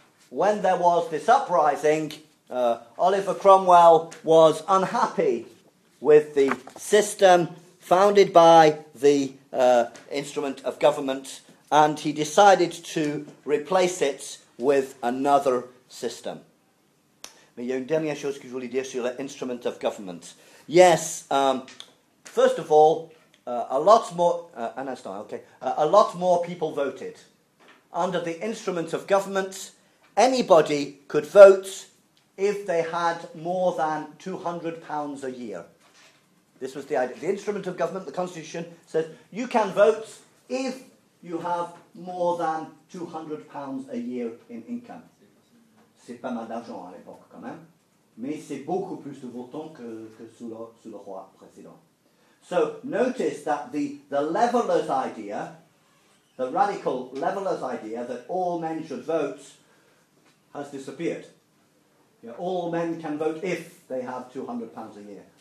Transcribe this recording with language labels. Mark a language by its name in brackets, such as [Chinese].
[English] When there was this uprising, Oliver Cromwell was unhappy with the system founded by the instrument of government, and he decided to replace it with another system. [French] Mais il y a une dernière chose que je voulais dire sur l'instrument of government. [English] Yes, first of all, a lot more people voted. Under the instrument of government, anybody could vote if they had more than £200 a year. This was the idea. The instrument of government, the constitution, says you can vote if you have more than £200 a year in income. [French] C'est pas mal d'argent à l'époque, quand même. Mais c'est beaucoup plus de votants que sous le roi précédent. [English] So, notice that the levelers idea, the radical levelers idea that all men should vote, has disappeared. Yeah, all men can vote if they have £200 a year.